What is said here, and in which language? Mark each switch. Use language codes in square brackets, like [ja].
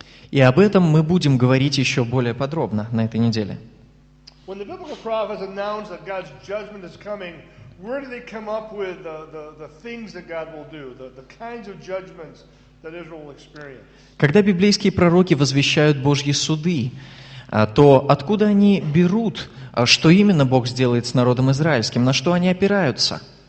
[ru] И об этом мы будем говорить еще более подробно на этой неделе. [en] When the biblical prophets announce that God's judgment is coming, where do they come up with the things that God will do, the kinds of judgments that Israel will experience? [ru] Когда библейские пророки возвещают Божьи суды, то откуда они берут, что именно Бог сделает с народом израильским, на что они опираются?